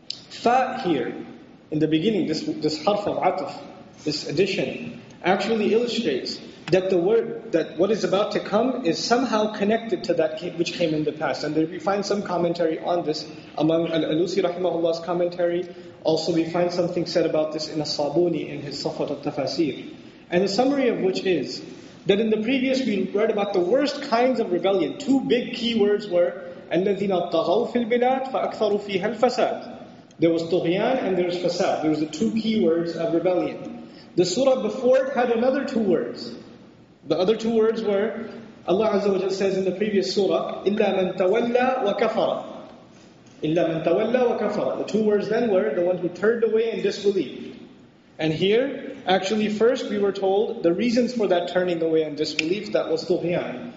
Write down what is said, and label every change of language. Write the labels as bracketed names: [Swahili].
[English] Fa here, in the beginning, this harf of ataf, this addition, actually illustrates that the word, that what is about to come is somehow connected to that which came in the past. And there we find some commentary on this among Al-Alusi rahimahullah's commentary. Also we find something said about this in As-Sabuni, in his Safat al-Tafasir. And the summary of which is, that in the previous we read about the worst kinds of rebellion. Two big key words were, [Arabic] الَّذِينَ طَغَوْا فِي الْبِلَادِ فَأَكْثَرُوا فِيهَا الْفَسَادِ. [English] There was طُغْيَان and there was فَسَاد. There was the two key words of rebellion. The surah before it had another two words. The other two words were, Allah Azza wa Jalla says in the previous surah, [Arabic] إِلَّا مَن تَوَلَّى وَكَفَرَ. إِلَّا مَن تَوَلَّى وَكَفَرَ. [English] The two words then were, the one who turned away and disbelieved. And here, actually first we were told the reasons for that turning away and disbelief, that was طُغْيَان.